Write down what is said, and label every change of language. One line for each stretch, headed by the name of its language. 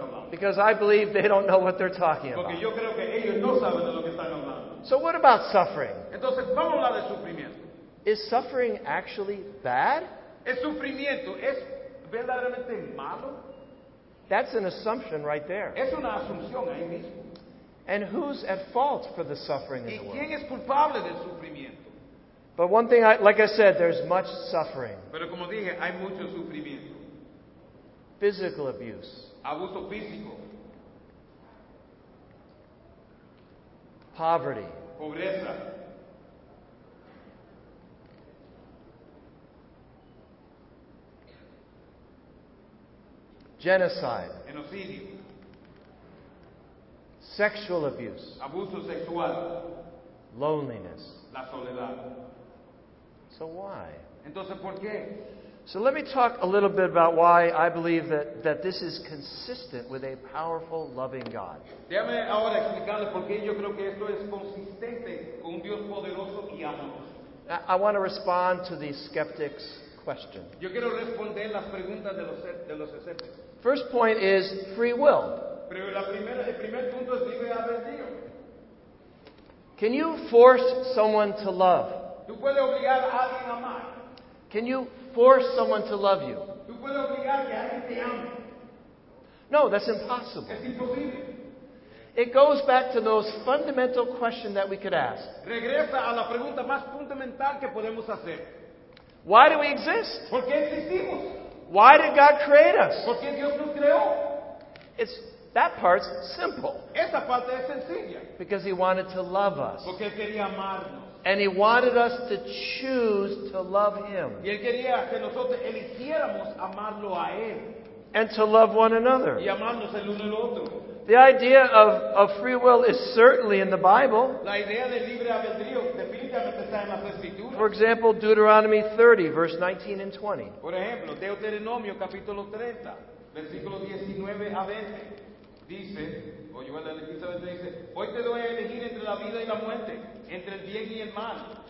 English: Because I believe they don't know what they're talking about.
Spanish: Yo creo que ellos no saben de lo que están hablando.
English: So what about suffering?
Spanish: Entonces, ¿cómo hablar de sufrimiento?
English: Is suffering actually bad?
Spanish: ¿El sufrimiento es verdaderamente malo?
English: That's an assumption right there.
Spanish: Es una asunción ahí mismo.
English: And who's at fault for the suffering in the world?
Spanish: ¿Y quién es culpable del sufrimiento?
English: But one thing, like I said, there's much suffering.
Spanish: Pero como dije, hay mucho sufrimiento.
English: Physical abuse.
Spanish: Abuso físico.
English: Poverty.
Spanish: Pobreza.
English: Genocide.
Spanish: Genocidio.
English: Sexual abuse.
Spanish: Abuso sexual.
English: Loneliness.
Spanish: La soledad.
English: So why?
Spanish: Entonces, ¿por qué?
English: So let me talk a little bit about why I believe that, that this is consistent with a powerful, loving God.
Spanish: Déjame ahora explicarle por qué yo creo que esto es consistente con un Dios poderoso y amoroso.
English: I want to respond to the skeptics' question.
Spanish: Yo quiero responder las preguntas de los escépticos.
English: First point is free will.
Spanish: Pero el primer punto es libre albedrío.
English: Can you force someone to love?
Spanish: ¿Tú puedes obligar a alguien a amar?
English: Can you force someone to love you?
Spanish: ¿Tú puedes obligar que alguien te ame?
English: No, that's impossible.
Spanish: Es imposible.
English: It goes back to those fundamental questions that we could ask.
Spanish: Regresa a la pregunta más fundamental que podemos hacer.
English: Why do we exist?
Spanish: ¿Por qué existimos?
English: Why did God create us?
Spanish: ¿Por qué Dios nos creó?
English: That part's simple.
Spanish: Esa parte es sencilla.
English: Because He wanted to love us.
Spanish: Porque quería amarnos.
English: And He wanted us to choose to love Him.
Spanish: Y él quería que nosotros eligiéramos amarlo a él.
English: And to love one another.
Spanish: Y amarnos el uno al otro.
English: The idea of free will is certainly in the Bible.
Spanish: La idea de libre albedrío definitivamente está en las Escrituras.
English: For example, Deuteronomy 30, verse 19 and 20.
Spanish: Por ejemplo, Deuteronomio capítulo 30, versículo 19 a 20. Dice, o yo voy a leer, dice, hoy te doy a elegir entre la vida y la muerte, entre el bien y el mal.